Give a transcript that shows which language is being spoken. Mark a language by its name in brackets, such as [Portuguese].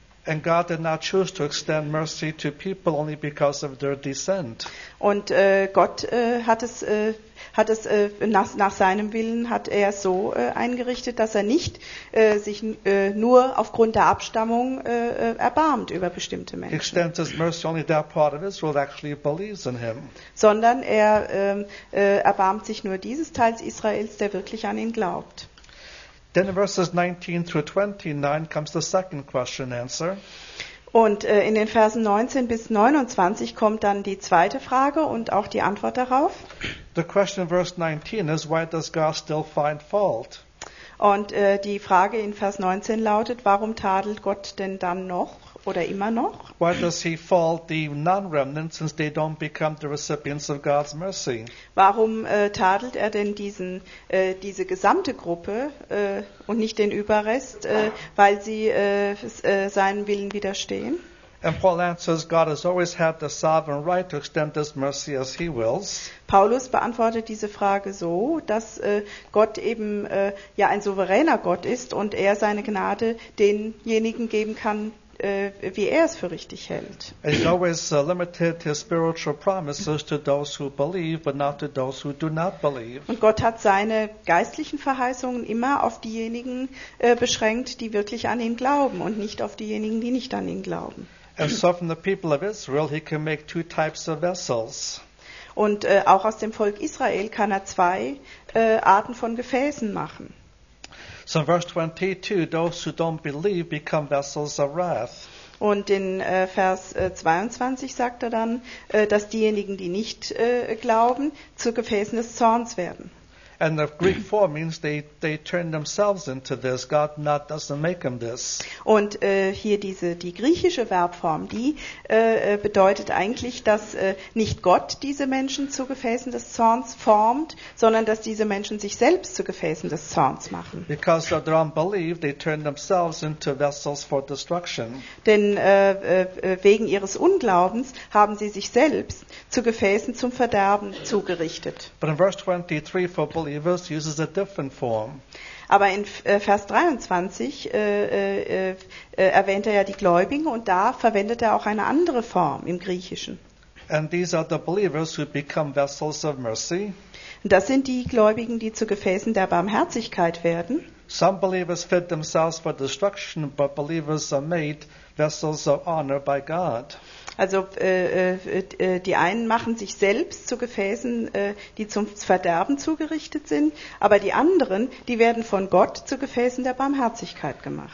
[English] And God did not choose to extend mercy to people only because of their descent. [German] Und Gott hat es nach seinem Willen hat er so eingerichtet, dass er nicht sich nur aufgrund der Abstammung erbarmt über bestimmte Menschen. [English] He extends his mercy only that part of Israel actually believes in him. [German] Sondern er erbarmt sich nur dieses Teils Israels, der wirklich an ihn glaubt. [English] Then in verses 19 through 29 comes the second question and answer. [German] Und in den Versen 19 bis 29 kommt dann die zweite Frage und auch die Antwort darauf. [English] The question in verse 19 is, why does God still find fault? [German] Und die Frage in Vers 19 lautet, warum tadelt Gott denn dann noch oder immer noch? [English] Why does he fault the non-remnant since they don't become the recipients of God's mercy? [German] Warum tadelt er denn diese gesamte Gruppe und nicht den Überrest, weil sie seinen Willen widerstehen? [English] And Paul answers, God has always had the sovereign right to extend this mercy as he wills. [German] Paulus beantwortet diese Frage so, dass Gott eben ja ein souveräner Gott ist und er seine Gnade denjenigen geben kann, wie er es für richtig hält. [English] And he's always limited his spiritual promises to those who believe, but not to those who do not believe. [German] Und Gott hat seine geistlichen Verheißungen immer auf diejenigen beschränkt, die wirklich an ihn glauben und nicht auf diejenigen, die nicht an ihn glauben. [English] And so from the people of Israel, he can make two types of vessels. [German] Und auch aus dem Volk Israel kann er zwei Arten von Gefäßen machen. [English] So in verse 22, those who don't believe become vessels of wrath. [German] Und in Vers 22 sagt er dann, dass diejenigen, die nicht glauben, zu Gefäßen des Zorns werden. [English] And the Greek form means they turn themselves into this. God not doesn't make them this. [German] Und hier die griechische Verbform, die bedeutet eigentlich, dass nicht Gott diese Menschen zu Gefäßen des Zorns formt, sondern dass diese Menschen sich selbst zu Gefäßen des Zorns machen. [English] Because of their unbelief, they turn themselves into vessels for destruction. [German] Denn wegen ihres Unglaubens haben sie sich selbst zu Gefäßen zum Verderben zugerichtet. [English] But in verse 23, for believers uses a different form. [German] Aber in Vers 23 erwähnt er ja die Gläubigen und da verwendet er auch eine andere Form im Griechischen. [English] And these are the believers who become vessels of mercy. [German] Das sind die Gläubigen, die zu Gefäßen der Barmherzigkeit werden. [English] Some believers fit themselves for destruction, but believers are made vessels of honor by God. [German] Also die einen machen sich selbst zu Gefäßen, die zum Verderben zugerichtet sind, aber die anderen, die werden von Gott zu Gefäßen der Barmherzigkeit gemacht.